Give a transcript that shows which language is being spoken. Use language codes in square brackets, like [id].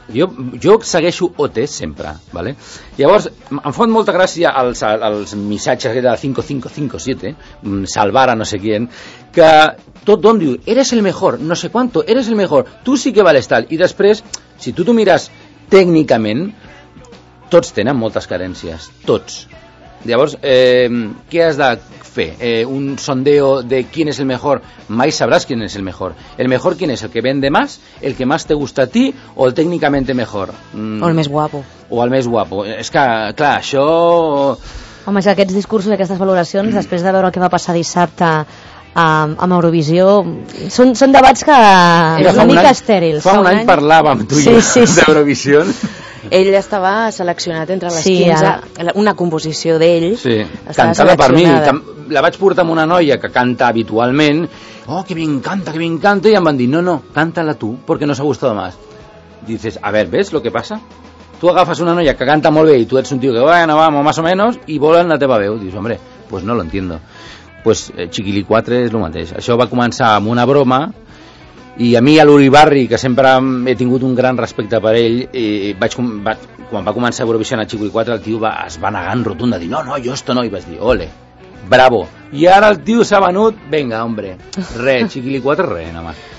[ca] Jo segueixo OT sempre, ¿vale? Llavors, em fot molta gràcia els missatges de 5557, salvar [es] a no sé quién, [ca] que tot d'on diu, [es] eres el mejor, no sé quanto, eres el mejor, tu sí que vales [ca] tal. I després, si tu t'ho mires tècnicament, tots tenen moltes carències, tots. Llavors, què has de fer? [es] Un sondeo de quién es el mejor. [ca] Mai sabràs [es] quién es el mejor. El mejor, ¿quién es? ¿El que vende más? ¿El que más te gusta a ti? ¿O el técnicamente mejor? [ca] O el més guapo. O el més guapo. És que, clar, això... Home, si aquests discursos i aquestes valoracions, després de veure el que va passar dissabte amb Eurovisió, són debats que... Era una mica estèrils. Fa un any parlàvem tu i jo d'Eurovisió. Ell estava seleccionat entre les 15, una composició d'ell. Sí, cantada per mi. La vaig portar amb una noia que canta habitualment. [es] Oh, que bien canta, que bien canta. [ca] I em van dir, no, canta-la tu, perquè no s'ha [es] gustado más. Dices, a ver, ¿ves lo que pasa? [ca] Tu agafes una noia que canta molt bé i tu ets un tio que, [es] bueno, vamos, más o menos, [ca] i volen la teva veu. [es] Dius, hombre, pues no lo entiendo. [ca] Pues Chiquili 4 és el mateix. Això va començar amb una broma. I a mi, a l'Uribarri, que sempre he tingut un gran respecte per ell, quan va començar Eurovisió a Chiquili 4, el tio es va negar en rotunda, dir, no, jo esto no, i vas dir, ole, bravo. I ara el tio s'ha venut, [es] venga, hombre, [ca] re, Chiquili 4, re, nomás.